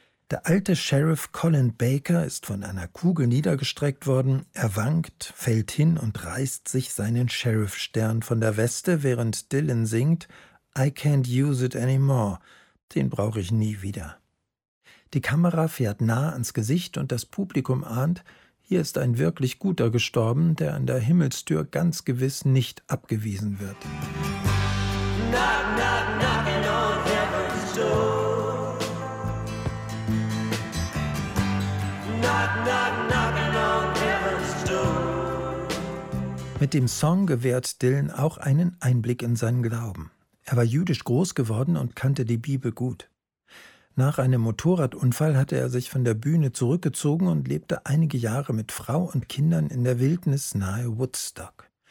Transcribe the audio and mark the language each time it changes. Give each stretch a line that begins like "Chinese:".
German: Der alte Sheriff Colin Baker ist von einer Kugel niedergestreckt worden, er wankt, fällt hin und reißt sich seinen Sheriff-Stern von der Weste, während Dylan singt »
English: I can't use it anymore«,
German: den brauche ich nie wieder. Die Kamera fährt nah ans Gesicht und das Publikum ahnt, hier ist ein wirklich guter gestorben, der an der Himmelstür ganz gewiss nicht abgewiesen wird.
English: Knock, knock, knocking on heaven's door. Knock, knock, knocking on heaven's door.
German: Mit dem Song gewährt Dylan auch einen Einblick in seinen Glauben. Er war jüdisch groß geworden und kannte die Bibel gut. Nach einem Motorradunfall hatte er sich von der Bühne zurückgezogen und lebte einige Jahre mit Frau und Kindern in der Wildnis nahe Woodstock.